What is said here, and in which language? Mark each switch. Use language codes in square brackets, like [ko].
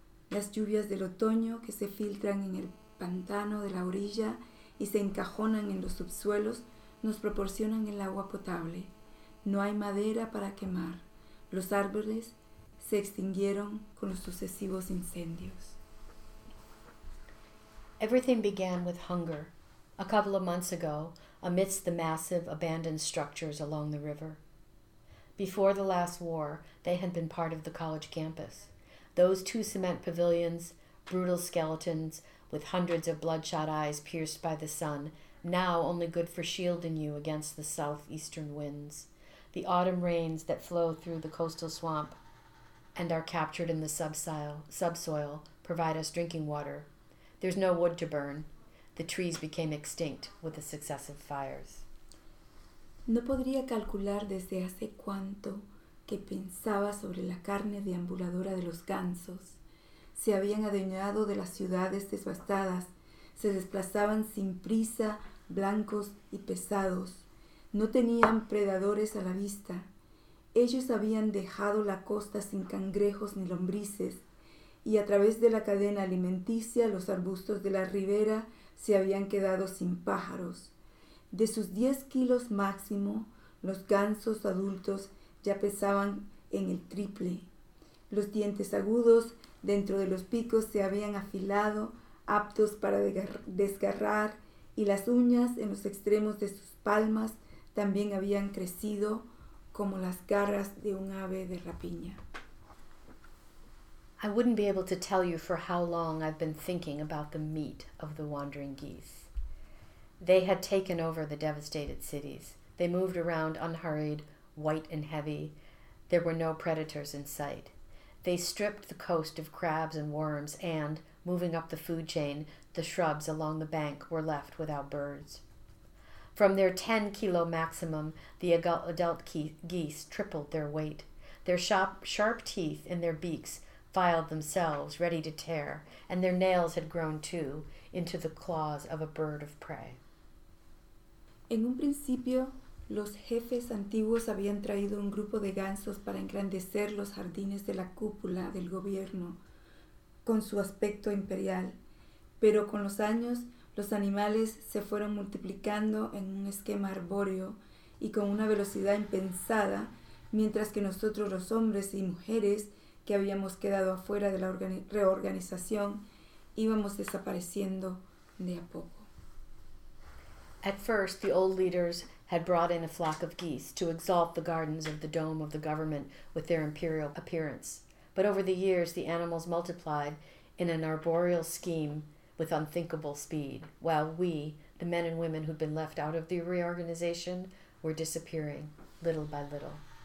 [es] Las lluvias del otoño que se filtran en el pantano de la orilla y se encajonan en los subsuelos nos proporcionan el agua potable. No hay madera para quemar. Los árboles se extinguieron con los sucesivos incendios. [en] Everything began with hunger, a couple of months ago amidst the massive abandoned structures along the river. Before the last war, they had been part of the college campus. Those two cement pavilions, brutal skeletons with hundreds of bloodshot eyes pierced by the sun, now only good for shielding you against the southeastern winds, the autumn rains that flow through the coastal swamp and are captured in the subsoil, provide us drinking water. There's no wood to burn. The trees became extinct with the successive fires. [es] No podría calcular desde hace cuánto que pensaba sobre la carne deambuladora de los gansos. Se habían adueñado de las ciudades devastadas. Se desplazaban sin prisa, blancos y pesados. No tenían predadores a la vista. Ellos habían dejado la costa sin cangrejos ni lombrices, y a través de la cadena alimenticia los arbustos de la ribera se habían quedado sin pájaros. De sus 10 kilos máximo, los gansos adultos ya pesaban en el triple. Los dientes agudos dentro de los picos se habían afilado, aptos para desgarrar, y las uñas en los extremos de sus palmas también habían crecido como las garras de un ave de rapiña. [en] I wouldn't be able to tell you for how long I've been thinking about the meat of the wandering geese. They had taken over the devastated cities. They moved around unhurried, white and heavy. There were no predators in sight. They stripped the coast of crabs and worms and, moving up the food chain, the shrubs along the bank were left without birds. From their 10 kilo maximum, the adult geese tripled their weight. Their sharp teeth in their beaks filed themselves, ready to tear, and their nails had grown too into the claws of a bird of prey. [es] En un principio, los jefes antiguos habían traído un grupo de gansos para engrandecer los jardines de la cúpula del gobierno con su aspecto imperial, pero con los años, los animales se fueron multiplicando en un esquema arbóreo y con una velocidad impensada, mientras que nosotros, los hombres y mujeres que habíamos quedado afuera de la reorganización, íbamos desapareciendo de a poco. [en] At first, the old leaders had brought in a flock of geese to exalt the gardens of the dome of the government with their imperial appearance. But over the years, the animals multiplied in an arboreal scheme with unthinkable speed, while we, the men and women who'd been left out of the reorganization, were disappearing little by little.